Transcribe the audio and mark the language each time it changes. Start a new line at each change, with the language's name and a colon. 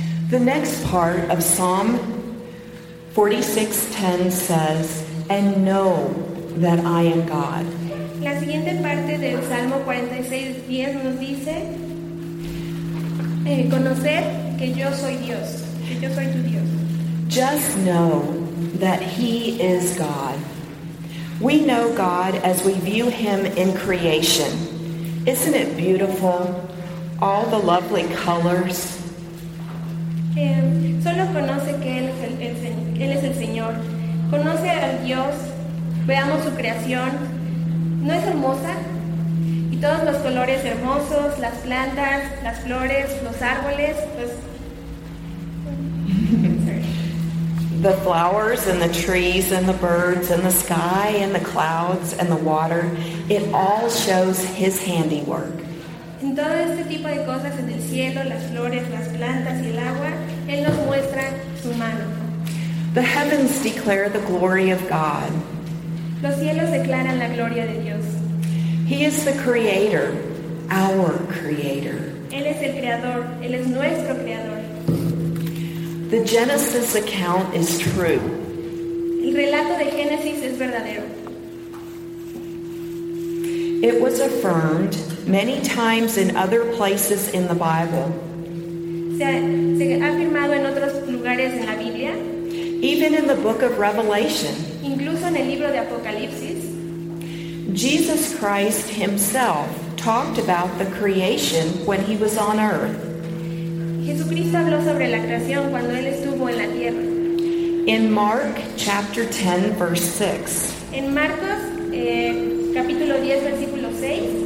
English: The next part of Psalm 46:10 says, "And know that I am God."
Spanish: La siguiente parte del Salmo 46:10 nos dice, conocer que yo soy Dios, que yo soy tu Dios.
English: Just know that He is God. We know God as we view Him in creation. Isn't it beautiful? All the lovely colors.
Spanish: Solo conoce que él es el Señor. Conoce a Dios. Veamos su creación. ¿No es hermosa? Y todos los colores hermosos, las plantas, las flores, los árboles, pues.
English: The flowers and the trees and the birds and the sky and the clouds and the water, it all shows his handiwork.
Spanish: En todo este tipo de cosas, en el cielo, las flores, las plantas y el agua, Él nos muestra su mano.
English: The heavens declare the glory of God.
Spanish: Los cielos declaran la gloria de Dios.
English: He is the creator, our creator.
Spanish: Él es el creador, él es nuestro creador.
English: The Genesis account is true.
Spanish: El relato de Génesis es verdadero.
English: It was affirmed many times in other places in the Bible.
Spanish: Se ha afirmado en otros lugares en la Biblia.
English: Even in the book of Revelation.
Spanish: Incluso en el libro de Apocalipsis.
English: Jesus Christ himself talked about the creation when he was on earth.
Spanish: Jesucristo habló sobre la creación cuando él estuvo en la tierra.
English: In Mark chapter 10 verse 6.
Spanish: En Marcos capítulo 10 versículo 6.